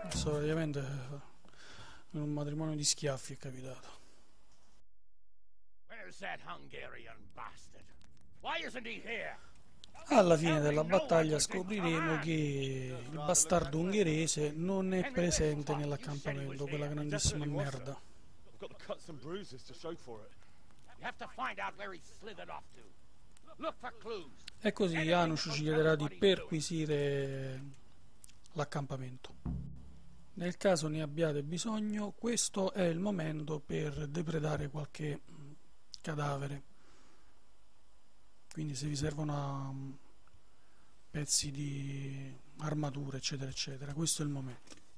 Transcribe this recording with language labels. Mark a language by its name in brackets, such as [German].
[Italian] Ovviamente un matrimonio di schiaffi è capitato. [English] Where's that Hungarian bastard? Why isn't he here? [Italian] Alla fine della battaglia scopriremo che il bastardo ungherese non è presente nell'accampamento, quella grandissima merda. [English] I've got the cuts and bruises to show for it. You have to find out where he slithered off to. Look for clues. [Italian] E così Janusz ci chiederà di perquisire l'accampamento. Nel caso ne abbiate bisogno, questo è il momento per depredare qualche cadavere. Quindi se vi servono pezzi di armatura, eccetera, eccetera, questo è il momento.